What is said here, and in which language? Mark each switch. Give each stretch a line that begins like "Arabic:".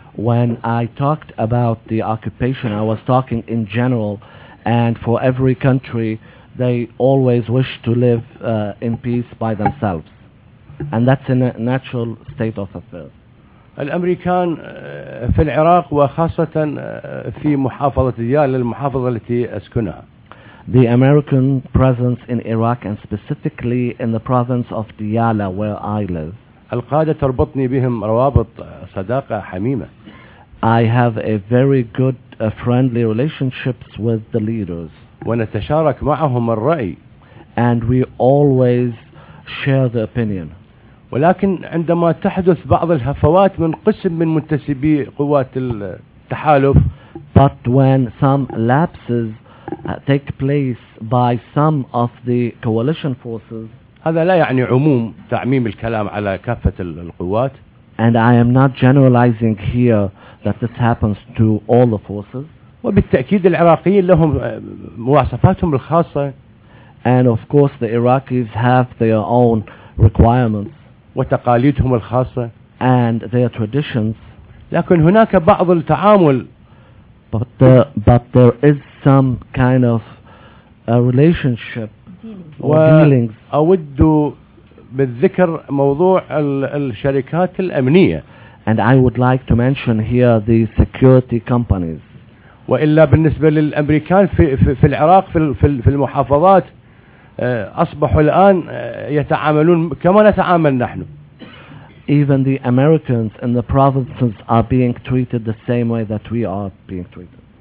English: When I talked about the occupation, I was talking in general, and for every country, they always wish to live in peace by themselves. And that's in a natural state of affairs.
Arabic: الأمريكان في العراق وخاصة في محافظة ديال المحافظة التي أسكنها.
English: The American presence in Iraq and specifically in the province of Diyala where I live.
Arabic: القادة تربطني بهم روابط صداقة حميمة.
English: I have a very good friendly relationships with the leaders.
Arabic: ونتشارك معهم الرأي.
English: And we always share the opinion.
Arabic: ولكن عندما تحدث بعض الهفوات من قسم من منتسبي قوات التحالف.
English: But when some lapses take place by some of the coalition forces.
Arabic: هذا لا يعني عموم تعميم الكلام على كافة القوات.
English: And I am not generalizing here that this happens to all the forces.
Arabic: وبالتأكيد العراقيين لهم مواصفاتهم الخاصة.
English: And of course the Iraqis have their own requirements.
Arabic: وتقاليدهم الخاصة.
English: And their traditions.
Arabic: لكن هناك بعض التعامل.
English: But there is some kind of a relationship. Dealings.
Arabic: أود بالذكر موضوع الشركات الأمنية.
English: And I would like to mention here the security companies.
Arabic: وإلا بالنسبة للأمريكان في العراق في المحافظات أصبحوا الآن يتعاملون كما نتعامل نحن.
English: Even the Americans in the provinces are being treated the same way that we are being treated.